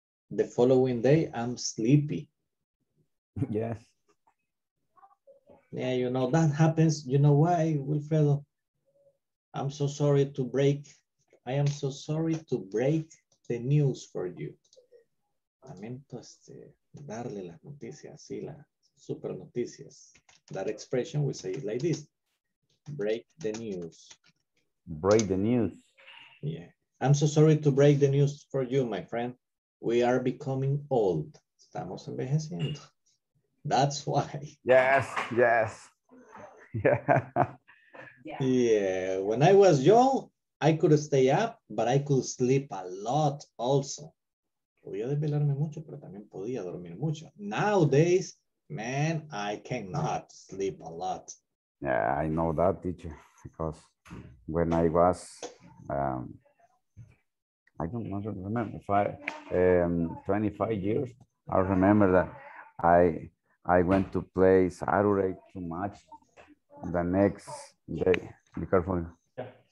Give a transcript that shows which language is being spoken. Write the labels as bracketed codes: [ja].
[en] The following day, I'm sleepy. Yes. Yeah, you know, that happens. You know why, Wilfredo? I'm so sorry to break. I am so sorry to break the news for you. [es] Lamento darle las noticias, sí, las super noticias. [en] That expression we say it like this. Break the news. Break the news. Yeah. I'm so sorry to break the news for you, my friend. We are becoming old. [es] Estamos envejeciendo. [en] That's why. Yes, yes. Yeah. Yeah. When I was young, I could stay up, but I could sleep a lot also. [es] Podía desvelarme mucho, pero también podía dormir mucho. [en] Nowadays, man, I cannot sleep a lot. Yeah, I know that, teacher, because when I was... I don't remember if I 25 years. I remember that I went to play Saturday too much the next day. Be careful. Yeah.